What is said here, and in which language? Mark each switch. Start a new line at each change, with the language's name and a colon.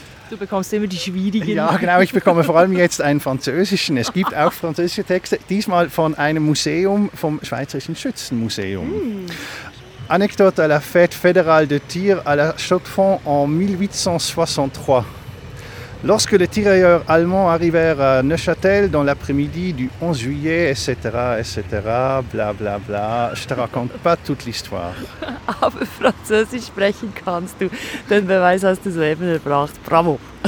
German: Du bekommst immer die schwierigen. Ja, genau, ich bekomme vor allem jetzt einen französischen. Es gibt auch französische Texte, diesmal von einem Museum, vom Schweizerischen Schützenmuseum. Hm.
French: Anecdote à la fête fédérale de tir à la Chaux-de-Fonds en 1863. Lorsque les tireurs allemands arrivèrent à Neuchâtel dans l'après-midi du 11 juillet, etc., etc., bla bla bla, je te raconte pas toute l'histoire.
German: Aber Französisch sprechen kannst du. Den Beweis hast du soeben erbracht. Bravo.